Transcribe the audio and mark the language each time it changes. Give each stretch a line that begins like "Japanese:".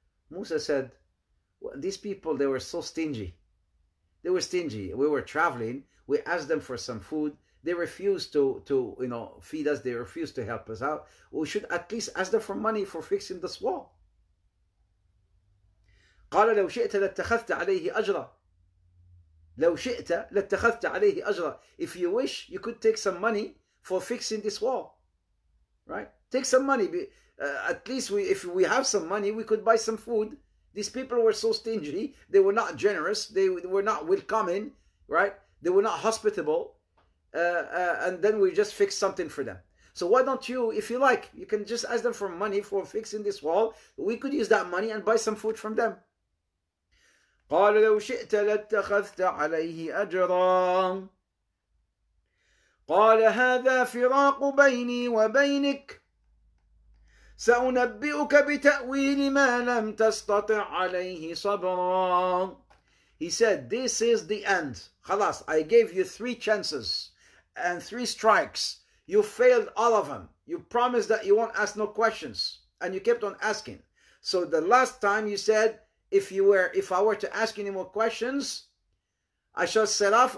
English: Musa said, well, these people, they were so stingy. They were stingy. We were traveling. We asked them for some food. They refused to feed us. They refused to help us out. We should at least ask them for money for fixing this wall.
Arabic: قال لو شئت لاتخذت عليه أجرا. لو شئت لاتخذت عليه أجرا.
English: If you wish, you could take some money for fixing this wall, right? Take some money. At least if we have some money, we could buy some food. These people were so stingy. They were not generous. They were not welcoming, right? They were not hospitable. And then we just fixed something for them. So why don't you, if you like, you can just ask them for money for fixing this wall. We could use that money and buy some food from them.
Arabic: قال لو شئت لاتخذت عليه أجرا قال هذا فراق بيني وبينك سأنبئك بتأويل ما لم تستطع عليه صبرا.
English: He said, this is the end. خلاص, I gave you three chances and three strikes. You failed all of them. You promised that you won't ask no questions and you kept on asking. So the last time you said, if I were to ask any more questions, I shall set off.